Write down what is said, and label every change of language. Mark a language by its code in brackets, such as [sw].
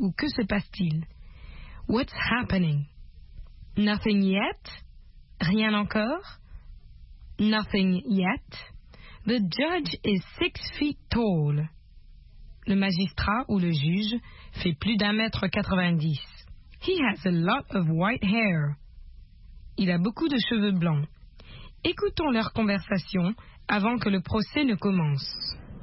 [fr] Ou « Que se passe-t-il ? » « [en] What's happening ? » ?»« Nothing yet ?» [fr] Rien encore ?« [en] Nothing yet ?» The judge is 6 feet tall. [fr] Le magistrat ou le juge fait plus d'1m90. [en] He has a lot of white hair. [fr] Il a beaucoup de cheveux blancs. Écoutons leur conversation avant que le procès ne commence.